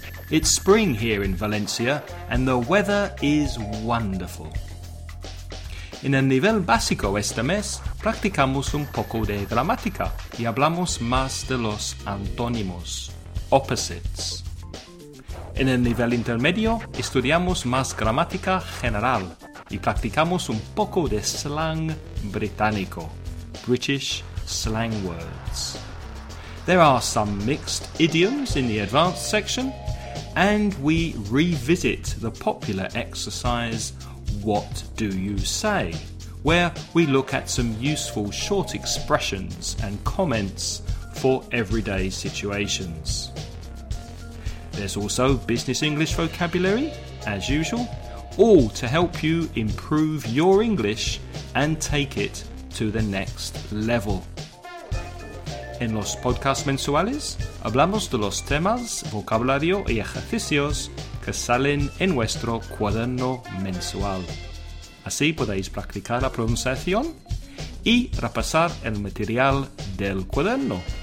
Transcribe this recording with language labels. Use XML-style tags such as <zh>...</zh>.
<en>It's spring here in Valencia and the weather is wonderful.</en> <es>En el nivel básico este mes, practicamos un poco de gramática y hablamos más de los antónimos,</es> <en>opposites.</en> <es>En el nivel intermedio, estudiamos más gramática general y practicamos un poco de slang británico,</es> <en>British slang words. There are some mixed idioms in the advanced section, and we revisit the popular exercise, What Do You Say?, where we look at some useful short expressions and comments for everyday situations. There's also business English vocabulary, as usual, all to help you improve your English and take it to the next level.</en> <es>En los podcasts mensuales, hablamos de los temas, vocabulario y ejercicios que salen en nuestro cuaderno mensual. Así podéis practicar la pronunciación y repasar el material del cuaderno.</es>